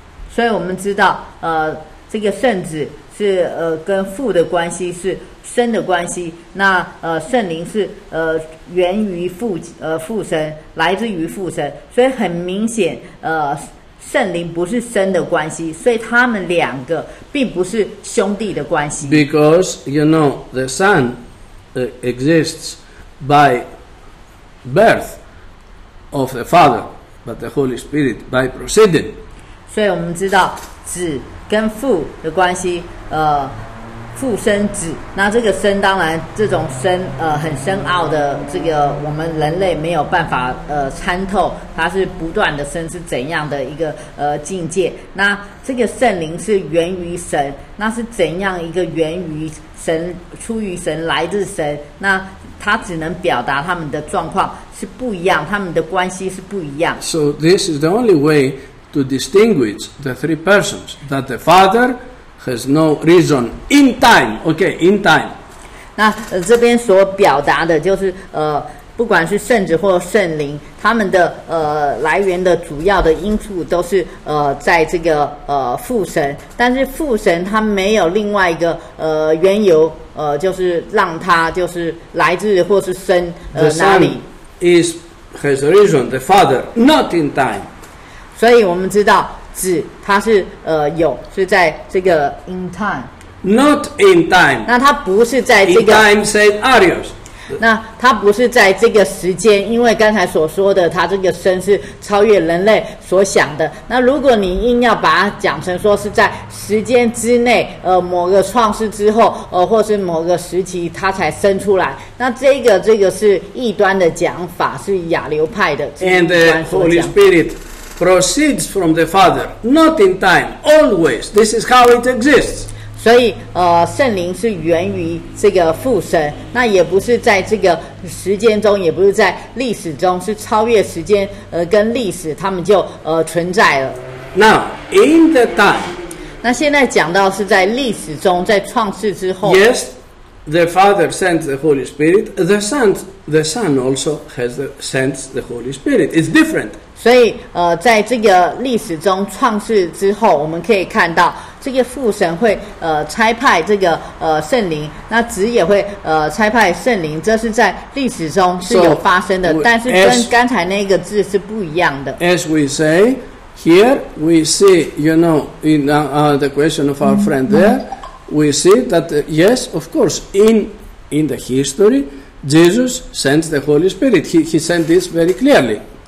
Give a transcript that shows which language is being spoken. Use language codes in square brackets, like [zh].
[zh] 所以我们知道这个圣子是跟父的关系是生的关系，那圣灵是源于父神，来自于父神，所以很明显圣灵不是生的关系，所以他们两个并不是兄弟的关系。 [en] Because you know the Son exists by birth of the Father, but the Holy Spirit by proceeding. [zh] 所以我们知道子跟父的关系，父生子，那这个生当然这种生很深奥的这个我们人类没有办法参透，它是不断的生是怎样的一个境界，那这个圣灵是源于神，那是怎样一个源于神，出于神，来自神，那他只能表达他们的状况是不一样，他们的关系是不一样。 [en] So this is the only way to distinguish the three persons, that the Father has no reason in time, okay, in time. [zh] 那这边所表达的就是不管是圣子或圣灵，他们的来源的主要的因素都是在这个父神，但是父神他没有另外一个缘由，就是让他就是来自或是生哪里。 [en] Has a reason, the Father, not in time. [zh] 所以我们知道子他是有是在这个 [en] in time, not in time. [zh] 那他不是在这个 [en] in time, said Arius. [zh] 那他不是在这个时间，因为刚才所说的他这个生是超越人类所想的。那如果你硬要把它讲成说是在时间之内，某个创世之后，或是某个时期他才生出来，那这个是异端的讲法，是亚流派的。 [en] And the Holy Spirit proceeds from the Father, not in time, always. This is how it exists. [zh] 所以圣灵是源于这个父神，那也不是在这个时间中，也不是在历史中，是超越时间跟历史，他们就存在了。 [en] Now, in the time, [zh] 那现在讲到是在历史中，在创世之后。 [en] Yes, the Father sends the Holy Spirit. The Son also has sent the Holy Spirit. It's different. [zh] 所以在这个历史中创世之后，我们可以看到这个父神会差派这个圣灵，那子也会差派圣灵，这是在历史中是有发生的。 [en] So, [zh] 但是跟刚才那个字是不一样的。 [en] As we say here, we see, you know, in the question of our friend there, we see that yes, of course, in the history, Jesus sends the Holy Spirit. He sent this very clearly.